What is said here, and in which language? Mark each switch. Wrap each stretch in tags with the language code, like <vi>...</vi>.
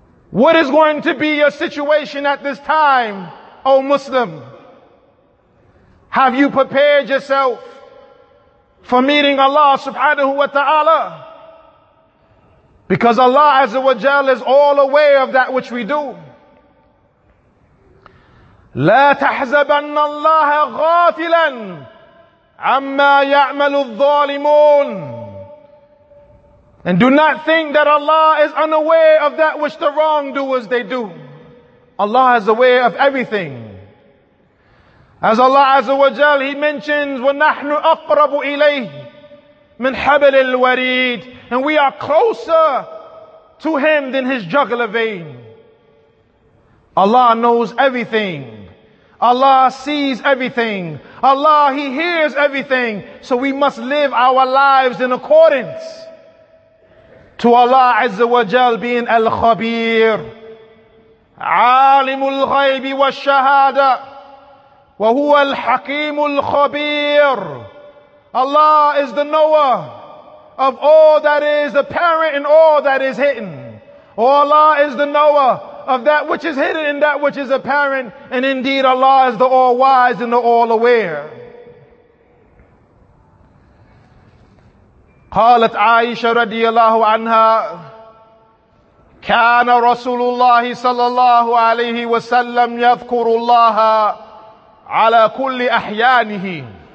<en>What is going to be your situation at this time, O Muslim? Have you prepared yourself for meeting Allah subhanahu wa ta'ala? Because Allah azza wa jal is all aware of that which we do.</en> <ar>لا تحزبن الله غافلا عما يعمل الظالمون.</ar> <en>And do not think that Allah is unaware of that which the wrongdoers they do. Allah is aware of everything. As Allah Azza wa Jal, He mentions,</en> <ar>وَنَحْنُ أَقْرَبُ إِلَيْهِ مِنْ حَبْلِ الْوَرِيدِ.</ar> <en>And we are closer to Him than His jugular vein. Allah knows everything. Allah sees everything. Allah, He hears everything. So we must live our lives in accordance to Allah Azza wa Jal being Al-Khabir,</en> <ar>Alimul Ghaybi wa Shahada, wa huwa Al-Hakimul Khabir.</ar> <en>Allah is the knower of all that is apparent and all that is hidden. Oh, Allah is the knower of that which is hidden and that which is apparent. And indeed Allah is the all-wise and the all-aware.</en> <ar>قالت عائشة رضي الله عنها كان رسول الله صلى الله عليه وسلم يذكر الله على كل أحيانه.</ar>